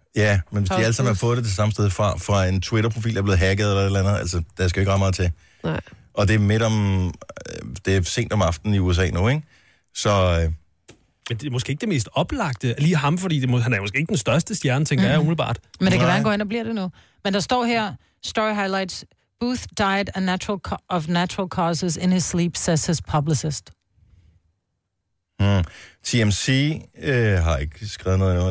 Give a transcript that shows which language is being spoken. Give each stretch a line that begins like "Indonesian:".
Danish: Ja, men hvis de alle sammen har fået det til samme sted fra en Twitter-profil, der er blevet hacket eller et eller andet, altså, der skal jo ikke ramme meget til. Nej. Og det er midt om, det er sent om aftenen i USA nu, ikke? Så... Men det er måske ikke det mest oplagte, lige ham, fordi han er måske ikke den største stjerne, tænker jeg umiddelbart. Men det kan være, han går ind og bliver det nu. Men der står her,
English: story highlights, Booth died of natural causes in his sleep, says his publicist. Hmm.
Danish: TMC har ikke skrevet noget endnu.